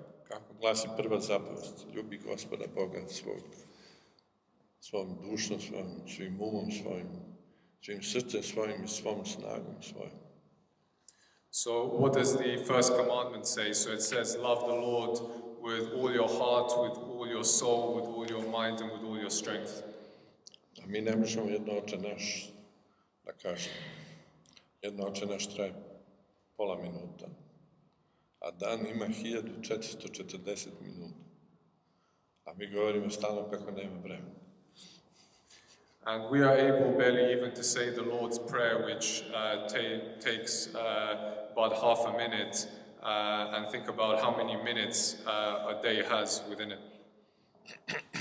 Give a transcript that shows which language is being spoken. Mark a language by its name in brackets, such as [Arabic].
[Serbian] Kako glasi prva zapovest, ljubi Gospoda Boga svog, svom dušom, svojim, svim umom, svojim srcem, svojim i svom snagom, svojim. [English] So what does the first commandment say? So it says, love the Lord with all your heart, with all your soul, with all your mind, and with all your strength. [Serbian] A mi ne možemo jedno oče naš, da kažem, jedno oče naš traje pola minuta, a dan ima 1440 minuta. A mi govorimo stalno kako nema vremena. [English] And we are able barely even to say the Lord's Prayer, which takes about half a minute, and think about how many minutes a day has within it.